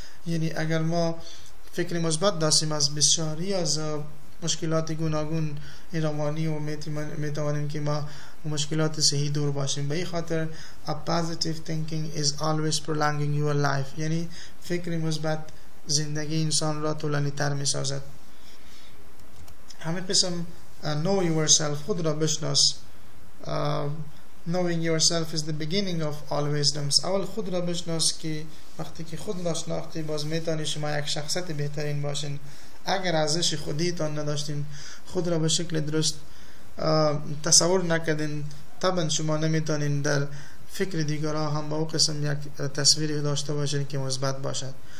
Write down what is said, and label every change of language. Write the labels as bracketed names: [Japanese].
[Persian] یعنی اگر ما فکر مثبت داشتیم از بسیاری از مشکلات گوناگون روانی و میتوانیم که ما مشکلات صحیح دور باشیم. به این خاطر [English] a positive thinking is always prolonging your life. [Persian] یعنی فکر مثبت زندگی انسان را طولانی تر می سازد. همه قسم [English] know yourself، [Persian] خود را بشناس. [English] Knowing yourself is the beginning of all wisdoms. [Persian] اول خود را بشناس که وقتی که خود را شناختی باز میتونی شما یک شخصیت بهترین باشین. اگر ارزش خودی تان نداشتین، خود را به شکل درست تصور نکردین، طبعا شما نمیتونین در فکر دیگرها هم با او قسم یک تصویری داشته باشین که مثبت باشد.